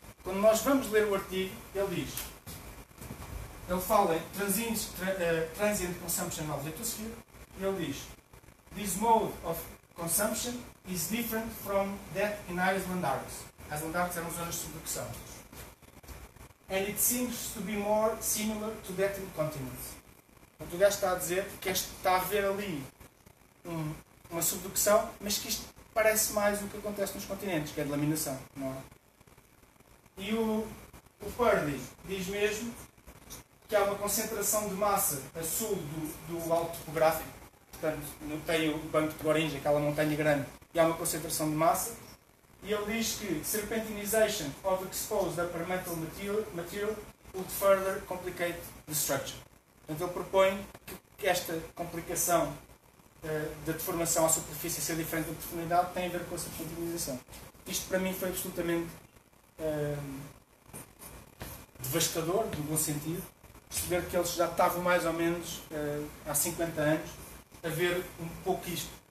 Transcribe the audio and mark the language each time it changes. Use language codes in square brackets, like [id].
[pt] Quando nós vamos ler o artigo, ele diz, ele fala em [en] transient consumption of lithosphere, [pt] e ele diz, [en] this mode of consumption is different from that in Iceland arcs. [pt] Iceland arcs eram zonas de subducção. [en] And it seems to be more similar to that in continents. [pt] Portanto, o gajo está a dizer que está a haver ali uma subducção, mas que isto parece mais o que acontece nos continentes, que é a delaminação, não é? E o Purdy diz mesmo que há uma concentração de massa a sul do alto topográfico, portanto, não tem o banco de Goringe, aquela montanha grande, e há uma concentração de massa. E ele diz que [en] serpentinization of exposed upper metal material would further complicate the structure. [pt] Portanto, ele propõe que esta complicação da deformação à superfície ser diferente da profundidade tem a ver com a serpentinização. Isto para mim foi absolutamente devastador, no bom sentido, perceber que eles já estavam mais ou menos há 50 anos a ver um pouco isto.